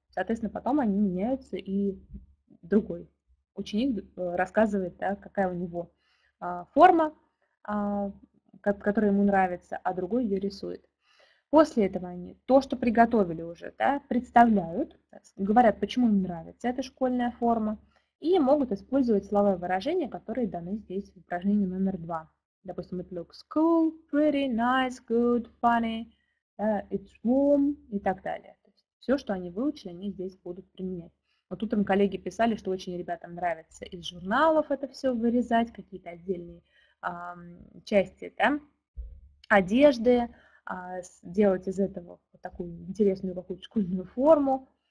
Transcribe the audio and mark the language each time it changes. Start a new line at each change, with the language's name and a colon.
Russian: Соответственно, потом они меняются, и другой ученик рассказывает, да, какая у него форма, которая ему нравится, а другой ее рисует. После этого они то, что приготовили уже, да, представляют, говорят, почему им нравится эта школьная форма, и могут использовать слова и выражения, которые даны здесь в упражнении номер 2. Допустим,
English: it looks cool, pretty, nice, good, funny, it's warm
Russian: и так далее. Все, что они выучили, они здесь будут применять. Вот утром коллеги писали, что очень ребятам нравится из журналов это все вырезать, какие-то отдельные части, да, одежды, сделать из этого вот такую интересную какую-то школьную форму.